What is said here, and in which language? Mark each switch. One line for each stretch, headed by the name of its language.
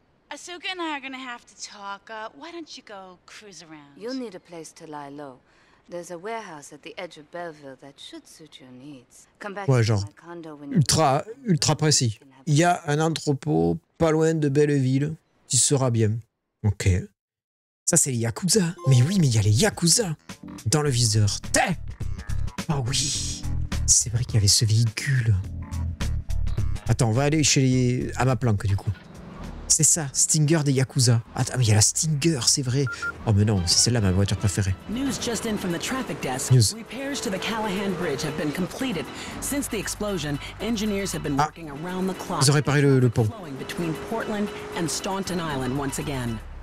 English: Asuka and I are gonna have to talk. Why don't you go cruise around? You'll need a place to lie low. There's a warehouse at the edge of Belleville that should suit your needs. Come back to my condo when you're
French: ultra, ultra précis. Il y a un entrepôt pas loin de Belleville qui sera bien. Ok. Ça, c'est les Yakuza. Mais oui, mais il y a les Yakuza dans le viseur. T'es ! Oh oui ! C'est vrai qu'il y avait ce véhicule. Attends, on va aller chez les... à ma planque, du coup. C'est ça, Stinger des Yakuza. Attends, mais il y a la Stinger, c'est vrai. Oh, mais non, c'est celle-là, ma voiture préférée.
English: News just in from the traffic desk. News. Repairs to the Callahan Bridge have been completed. Since the explosion, engineers have been working around the clock.
French: Ils ont réparé le pont.
English: Flowing between Portland and Staunton Island once again.